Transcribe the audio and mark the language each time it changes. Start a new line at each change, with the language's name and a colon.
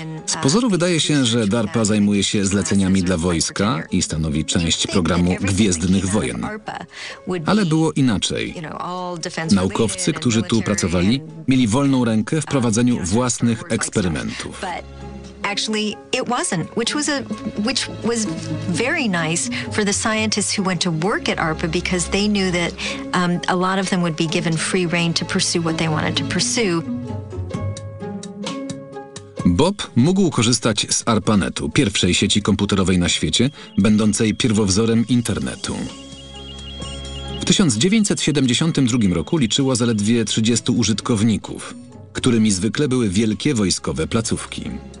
Polish: Z pozoru wydaje się, że DARPA zajmuje się zleceniami dla wojska i stanowi część programu Gwiezdnych Wojen. Ale było inaczej. Naukowcy, którzy tu pracowali, mieli wolną rękę w prowadzeniu własnych eksperymentów.
English: Actually, it wasn't, which was very nice for the scientists who went to work at ARPA because they knew that a lot of them would be given free rein to pursue what they wanted to pursue.
Polish: Bob mógł korzystać z ARPANET-u, pierwszej sieci komputerowej na świecie, będącej pierwowzorem internetu. W 1972 roku liczyła zaledwie 30 użytkowników, którymi zwykle były wielkie wojskowe placówki.